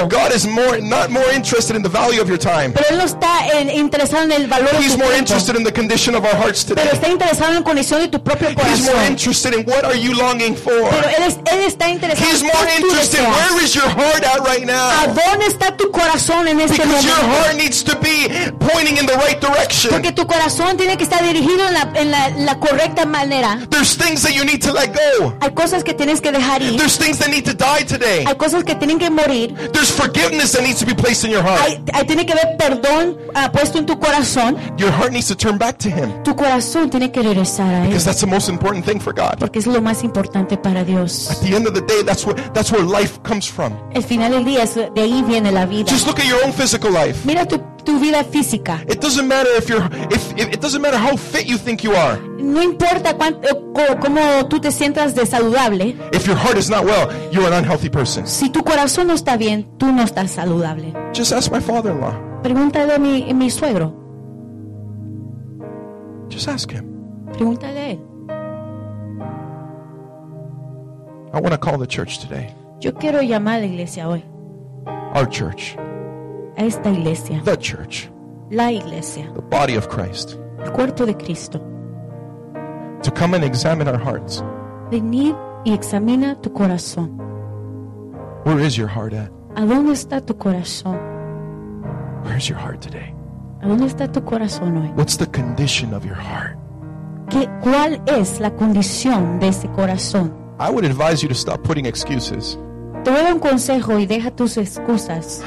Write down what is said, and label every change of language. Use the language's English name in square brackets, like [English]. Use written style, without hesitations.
[English] But God is not more interested in the value of your time. [Spanish] Pero él no está interesado en el valor de tu tiempo. [English] He's more interested in the condition of our hearts today. [Spanish] Pero está interesado en la condición de tu propio corazón. [English] He's more interested in what are you longing for. [Spanish] Pero él está interesado en [English] He's more interested [Spanish] deseas. [English] Where is your heart at right now? [Spanish] ¿A dónde está tu corazón en este [English] Because [Spanish] momento? [English] Your heart needs to be pointing in the right direction. [Spanish] Porque tu corazón tiene que estar dirigido en la correcta manera. [English] There's things that you need to let go. [Spanish] Hay cosas que tienes que dejar ir. [English] There's things that need to die today. [Spanish] Hay cosas que tienen que morir. [English] There's forgiveness that needs to be placed in your heart. [Spanish] Hay tiene que haber perdón puesto en tu corazón. [English] Your heart needs to turn back to him. [Spanish] Tu corazón tiene que regresar a él. [English] Because that's the most important thing for God. [Spanish] Porque es lo más importante para Dios. [English] At the end of the day, that's where life comes from. [Spanish] Al final del día, de ahí viene la vida. [English] Just look at your own physical life. [Spanish] Mira tu vida física. [English] It doesn't matter if it doesn't matter how fit you think you are. [Spanish] No importa cómo tú te sientas de saludable. [English] If your heart is not well, you're an unhealthy person. [Spanish] Si tu corazón no está bien, tú no estás saludable. [English] Just ask my father-in-law. [Spanish] Pregúntale a mi suegro. [English] Just ask him. [Spanish] Pregúntale a él. [English] I want to call the church today. [Spanish] Yo quiero llamar a la iglesia hoy. [English] Our church. [Spanish] A esta iglesia. [English] The church. [Spanish] La iglesia. [English] The body of Christ. [Spanish] El cuerpo de Cristo. [English] To come and examine our hearts. [Spanish] Venir y examina tu corazón. [English] Where is your heart at? [Spanish] ¿A dónde está tu corazón? [English] Where is your heart today? [Spanish] ¿A dónde está tu corazón hoy? [English] What's the condition of your heart? [Spanish] ¿Cuál es la condición de ese corazón? [English] I would advise you to stop putting excuses. [Spanish] Te voy a dar un consejo y deja tus excusas.